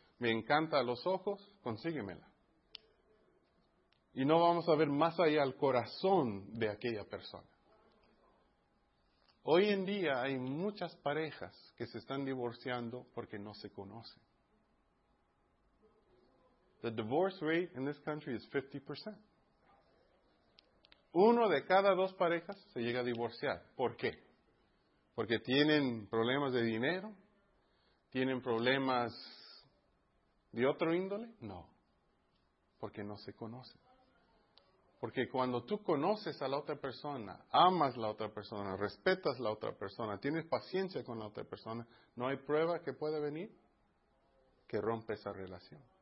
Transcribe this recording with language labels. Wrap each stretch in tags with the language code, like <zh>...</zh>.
<es>Me encanta a los ojos, consíguemela. Y no vamos a ver más allá al corazón de aquella persona. Hoy en día hay muchas parejas que se están divorciando porque no se conocen.</es> <en>The divorce rate in this country is 50%.</en> <es>Uno de cada dos parejas se llega a divorciar. ¿Por qué? Porque tienen problemas de dinero, tienen problemas de otro índole. No, porque no se conocen. Porque cuando tú conoces a la otra persona, amas a la otra persona, respetas a la otra persona, tienes paciencia con la otra persona, no hay prueba que pueda venir que rompa esa relación.</es>